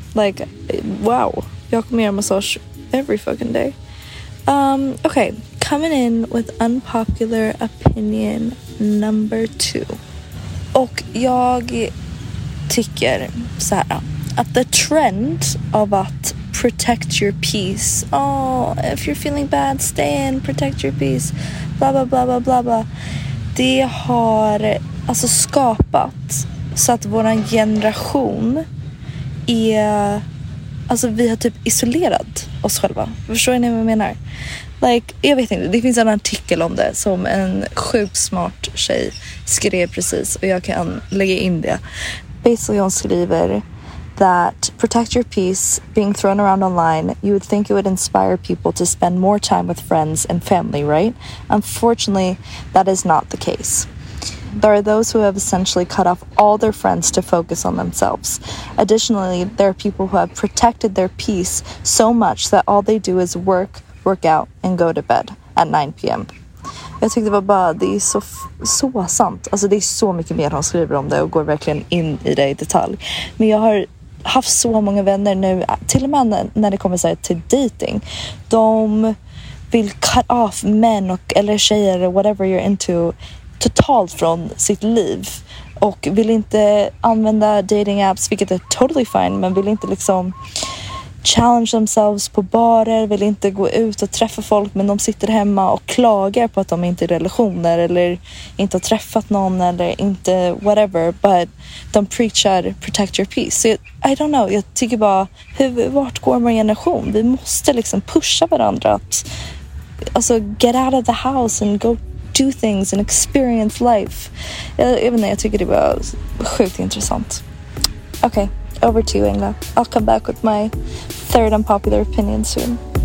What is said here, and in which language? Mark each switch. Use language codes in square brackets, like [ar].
[en] Like, wow. [sv] Jag kommer göra massage [en] every fucking day. Okay, coming in with unpopular opinion number 2. [sv] Och jag tycker så här, att [en] the trend [sv] av att [en] protect your peace. Oh, if you're feeling bad, stay in, protect your peace. Blah, blah, blah, blah, blah, blah. [sv] Det har alltså skapat så att våran generation är, alltså vi har typ isolerat oss själva. Förstår ni vad jag menar? Like, jag vet inte, det finns en artikel om det som en sjukt smart tjej skrev precis och jag kan lägga in det. [en] Basically [sv] hon skriver [en] that protect your peace being thrown around online, you would think it would inspire people to spend more time with friends and family, right? Unfortunately, that is not the case. There are those who have essentially cut off all their friends to focus on themselves. Additionally, there are people who have protected their peace so much that all they do is work, work out, and go to bed at 9 p.m. [sv] Jag tyckte bara, det är så sant. Alltså det är så mycket mer hon skriver om det och går verkligen in i det i detalj. Men jag har haft så många vänner nu, till och med när det kommer till dating. De vill [en] cut off [sv] män eller tjejer eller [en] whatever you're into [sv] totalt från sitt liv och vill inte använda [en] dating apps, [sv] vilket är [en] totally fine, [sv] men vill inte liksom [en] challenge themselves [sv] på barer, vill inte gå ut och träffa folk, men de sitter hemma och klagar på att de inte är i relationer eller inte har träffat någon eller inte whatever, [en] but [sv] de preachar [en] protect your peace. So, I don't know, [sv] jag tycker bara, vart går vår generation? Vi måste liksom pusha varandra att, alltså, [en] get out of the house and go do things and experience life. [sv] Jag tycker det var sjukt intressant. [en] Okay, over to you, Engla. I'll come back with my third unpopular opinion soon.